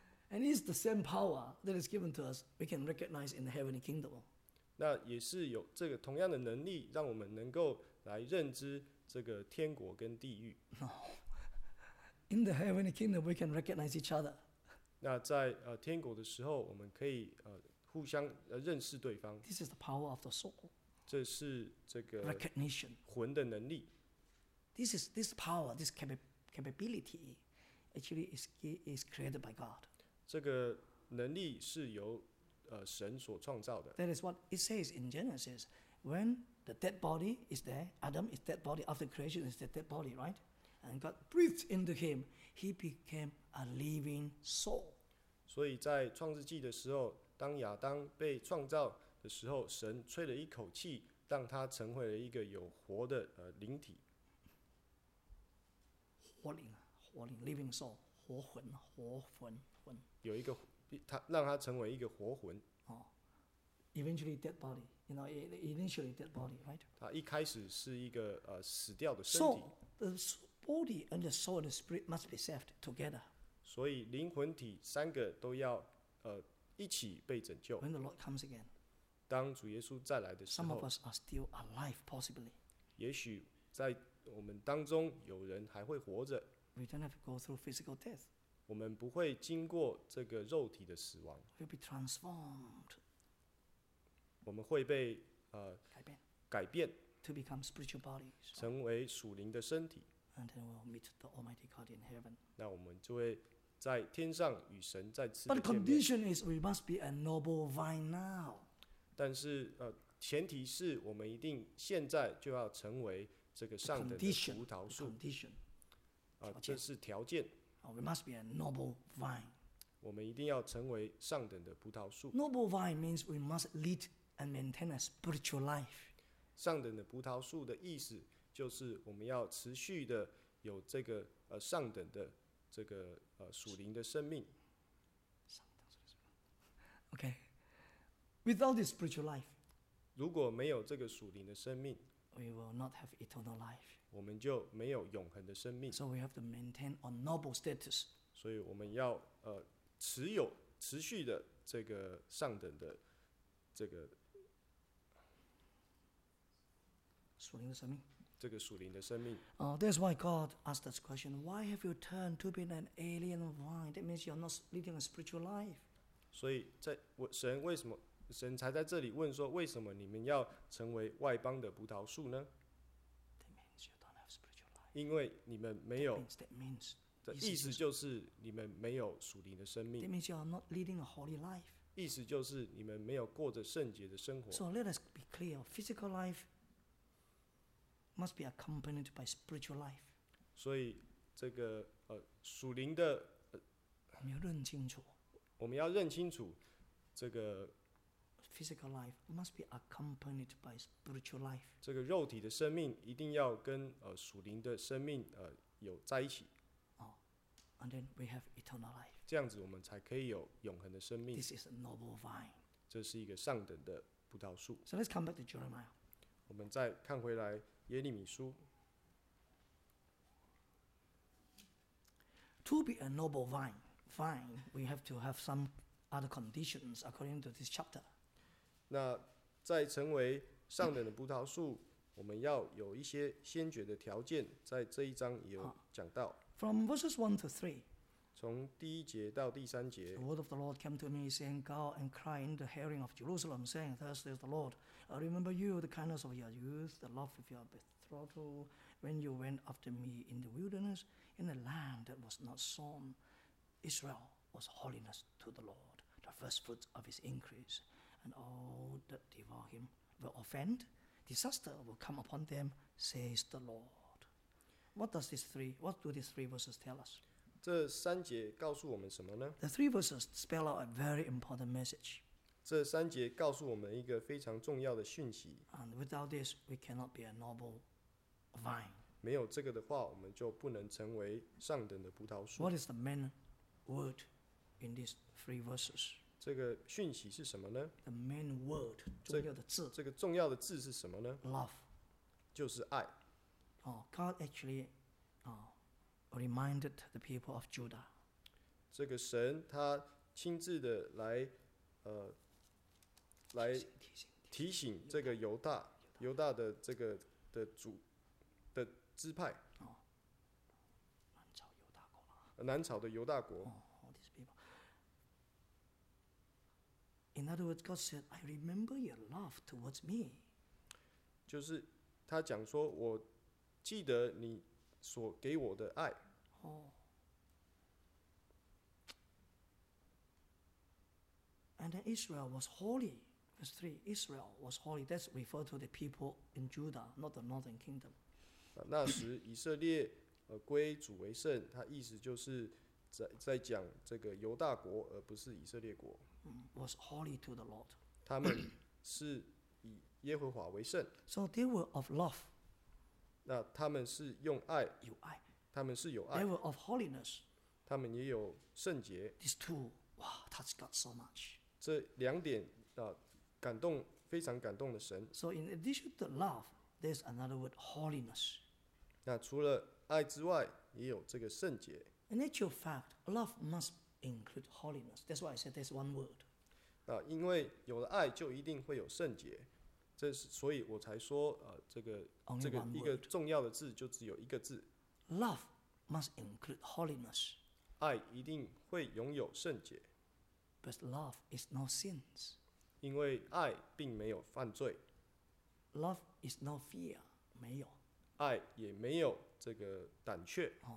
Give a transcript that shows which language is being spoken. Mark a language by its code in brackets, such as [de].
[en] And it's the same power that is given to us. We can recognize in the heavenly kingdom. [zh] 那也是有这个同样的能力，让我们能够来认知这个天国跟地狱。 [en] No, in the heavenly kingdom, we can recognize each other. [zh] 那在天国的时候，我们可以互相认识对方。 [en] This is the power of the soul. [zh] 这是这个 [en] recognition [zh] 魂的能力。 [en] This power, this capability, actually is created by God. [zh] 这个能力是由神所创造的。 [en] That is what it says in Genesis. When the dead body is there, Adam is dead body after creation is the dead body, right? And God breathed into him, he became a living soul. [zh] 所以在创世纪的时候。当亚当被创造的时候，神吹了一口气，让他成为了一个有活的灵体。活灵 ， [en] living soul， [zh] 活魂，活魂，魂。有一个，他让他成为一个活魂。 [en] 哦、oh, ，eventually dead body， you know， initially dead body， right？ [zh] 他一开始是一个死掉的身体。 [en] So the body and the soul and the spirit must be saved together。 [zh] 所以灵魂体三个都要一起被拯救。 [en] When the Lord comes again, [zh] 当主耶稣再来的时候 [en] ，Some of us are still alive, possibly. [zh] 也许在我们当中有人还会活着。 [en] We don't have to go through physical death. [zh] 我们不会经过这个肉体的死亡。 [en] We'll be transformed. [zh] 我们会被改变 [en] ，to become spiritual bodies， [zh] 成为属灵的身体。 [en] And then we'll meet the Almighty God in heaven. [zh] 那我们就会。在天上与神再次见面。 [en] But the condition is we must be a noble vine now. [zh] 但是前提是我们一定现在就要成为这个上等的葡萄树。 [en] Condition. [zh] 这是条件。 [en] We must be a noble vine. [zh] 我们一定要成为上等的葡萄树。 [en] Noble vine means we must lead and maintain a spiritual life. [zh] 上等的葡萄树的意思就是我们要持续的有这个上等的。这个属灵的生命。 [en] Okay, without this spiritual life, [zh] 如果没有这个属灵的生命 [en] ，we will not have eternal life. [zh] 我们就没有永恒的生命。 [en] So we have to maintain our noble status. [zh] 所以我们要持续的这个上等的这个属灵的生命。这个属灵的生命。 [en] That's why God asked this question. Why have you turned to be an alien vine? That means you're not leading a spiritual life. [zh] 所以在神为什么神才在这里问说，为什么你们要成为外邦的葡萄树呢？ [en] That means you don't have spiritual life. [zh] 因为你们没有。 [en] That means [zh] 意思就是你们没有属灵的生命。 [en] That means you're not leading a holy life. [zh] 意思就是你们没有过着圣洁的生活。 [en] So let us be clear. Physical life. Must be accompanied by spiritual life. [zh] 所以这个属灵的，我们要认清楚。我们要认清楚这个 [en] physical life must be accompanied by spiritual life. [zh] 这个肉体的生命一定要跟属灵的生命有在一起。 [en] Oh, and then we have eternal life. [zh] 这样子我们才可以有永恒的生命。 [en] This is a noble vine. [zh] 这是一个上等的葡萄树。 [en] So let's come back to Jeremiah. [zh] 我们再看回来。耶利米书 [en] To be a noble vine, fine, we have to have some other conditions according to this chapter. [zh] 那在成为上等的葡萄树，我们要有一些先决的条件，在这一章也有讲到。 [en] From verses 1 to 3, [zh] 从第一节到第三节 [en] The word of the Lord came to me, saying, Go and cry in the hearing of Jerusalem, saying, Thus says the Lord. I remember you, the kindness of your youth, the love of your betrothal, when you went after me in the wilderness, in a land that was not sown. Israel was holiness to the Lord, the first fruits of his increase. And all that devour him were offend. disaster will come upon them, says the Lord. What does these three? What do these three verses tell us? [zh] 这三节告诉我们什么呢？ [en] The three verses spell out a very important message. [zh] 这三节告诉我们一个非常重要的讯息。 [en] And without this, we cannot be a noble vine. [zh] 没有这个的话，我们就不能成为上等的葡萄树。 [en] What is the main word in these three verses? [zh] 这个讯息是什么呢？ [en] The main word, [zh] 重要的字。这个重要的字是什么呢？ [en] Love. [zh] 就是爱。 [en] God actually, reminded the people of Judah. [zh] 这个神他亲自的来提醒这个犹大的这个的主的支派。南朝犹大国吗？南朝的犹大国。 [en] All these people. In other words, God said, "I remember your love towards me." [zh] 就是他讲说，我记得你所给我的爱。 [en] And then Israel was holy. Verse 3, Israel was holy. That's referred to the people in Judah, not the northern kingdom. [zh] 那时以色列归主为圣，他意思就是在讲这个犹大国，而不是以色列国。 [en] Was holy to the Lord. [zh] 他们是以耶和华为圣。 [en] So they were of love. [zh] 那他们是用爱。有爱。他们是有爱。 [en] They were of holiness. [zh] 他们也有圣洁。 [en] These two, wow, touched God so much. [zh] 这两点感动，非常感动的神。 [en] So in addition to love, there's another word, holiness. [zh] 那除了爱之外，也有这个圣洁。 [en] In actual fact, love must include holiness. That's why I said there's one word. [zh] 因为有了爱，就一定会有圣洁。这是所以我才说这个一个重要的字就只有一个字。 [en] Love must include holiness. [zh] 爱一定会拥有圣洁。 [en] But love is no sins. [zh] 因为爱并没有犯罪。 [en] Love is no fear. [zh] 没有。爱也没有这个胆怯。